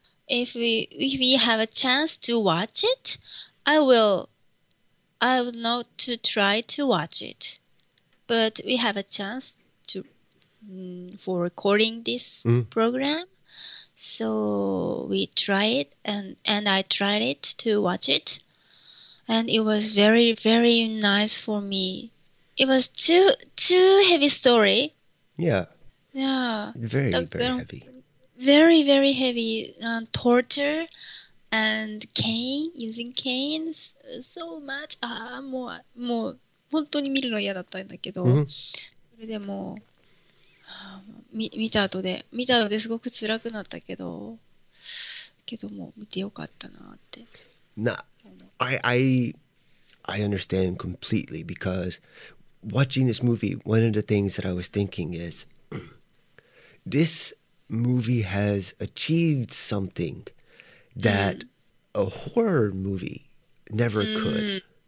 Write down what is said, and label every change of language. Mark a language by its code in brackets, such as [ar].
[en] If we have a chance to watch it, I will not to try to watch it, but we have a chance to for recording this program, so we try it and I tried it to watch it, and it was very, very nice for me. it was too heavy story. Yeah. Yeah. Very, very heavy. Very, very heavy torture and cane, using canes so much. [ja] Ah, もう本当に見るの嫌だったんだけど、それでも見た後すごく辛くなったけど、けども見てよかったなって。 [en] Nah, I understand completely because watching this movie, one of the things that I was thinking is this movie has achieved something that a horror movie never could.